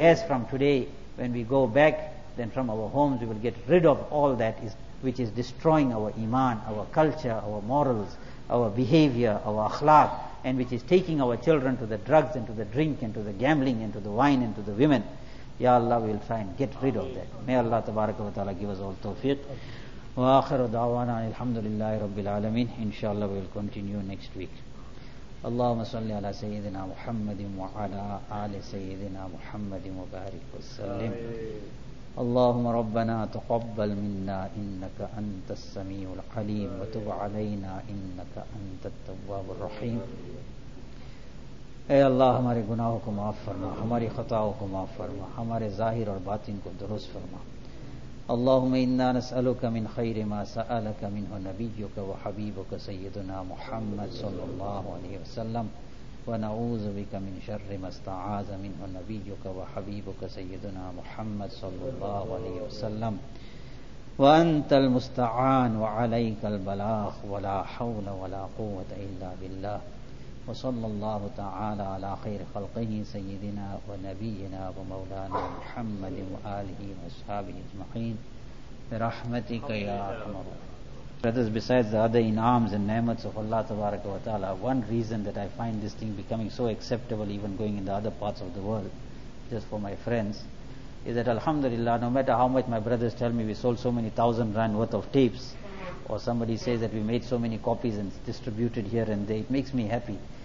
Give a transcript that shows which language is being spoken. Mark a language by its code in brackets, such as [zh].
[en] As from today, when we go back, then from our homes, we will get rid of all that is which is destroying our iman, our culture, our morals, our behavior, our akhlaq, and which is taking our children to the drugs and to the drink and to the gambling and to the wine and to the women. Ya Allah, we will try and get rid of that. May Allah tabaraka wa ta'ala give us all tawfiq. [ar] وآخر دعوانا الحمد لله رب العالمين إن شاء الله [en] we'll continue next week. [ar] اللهم صل على سيدنا محمد وعلى آل سيدنا محمد وبارك وسلم. اللهم ربنا تقبل منا إنك أنت السميع العليم وتب علينا إنك أنت التواب الرحيم. [ur] اے اللہ ہمارے گناہوں کو معاف فرما, ہماری خطاؤں کو معاف فرما, ہمارے ظاہر اور باطن کو درست فرما. [ar] اللهم إنا نسألك من خير ما سألك منه نبيك وحبيبك سيدنا محمد صلى الله عليه وسلم ونعوذ بك من شر ما استعاذ منه نبيك وحبيبك سيدنا محمد صلى الله عليه وسلم وأنت المستعان وعليك البلاغ ولا حول ولا قوة إلا بالله وصلى الله تعالى على خير خلقه سيدنا ونبينا ومولانا محمد وآله وأصحابه أجمعين برحمتك يا أرحم الراحمين. [en] Brothers, besides the other in'ams and ni'mats of Allah tabaraka wa ta'ala, one reason that I find this thing becoming so acceptable even going in the other parts of the world, just for my friends, is that alhamdulillah, no matter how much my brothers tell me we sold so many thousand rand worth of tapes, or somebody says that we made so many copies and distributed here and there, it makes me happy.